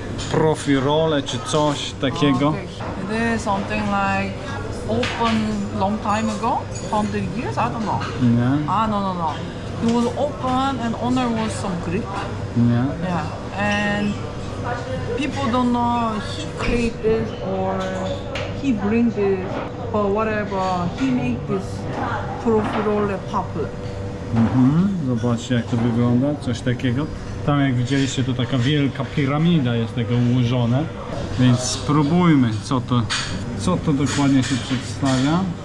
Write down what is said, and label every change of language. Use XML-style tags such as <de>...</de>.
<pl>Profirole czy coś takiego.</pl> <en>This is something like open long time ago, 100 years, I don't know. Yeah. No. It was open and owner was some Greek. Yeah. And people don't know he create this or he bring this, but whatever, he make this profirole popular.</en> <pl>Mhm, zobaczcie jak to wygląda, coś takiego. Tam jak widzieliście, to taka wielka piramida jest tego ułożona. Więc spróbujmy, co to dokładnie się przedstawia.</pl>